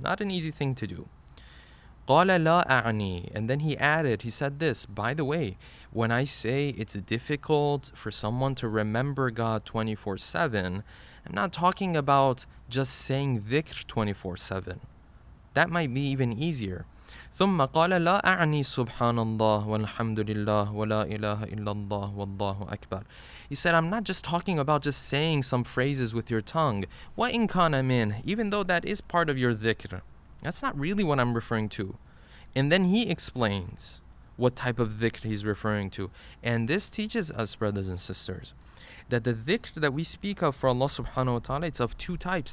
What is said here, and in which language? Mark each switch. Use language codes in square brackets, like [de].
[en] Not an easy thing to do. [ar] قَالَ لَا أَعْنِي. [en] And then he added, he said this, by the way, when I say it's difficult for someone to remember God 24/7, I'm not talking about just saying dhikr 24/7. That might be even easier. [ar] ثم قال لا أعني سبحان الله والحمد لله ولا إله إلا الله والله أكبر. [en] He said, I'm not just talking about just saying some phrases with your tongue. [ar] وإن كان من, [en] even though that is part of your dhikr, that's not really what I'm referring to. And then he explains what type of dhikr he's referring to. And this teaches us, brothers and sisters, that the dhikr that we speak of for Allah subhanahu wa ta'ala, it's of two types.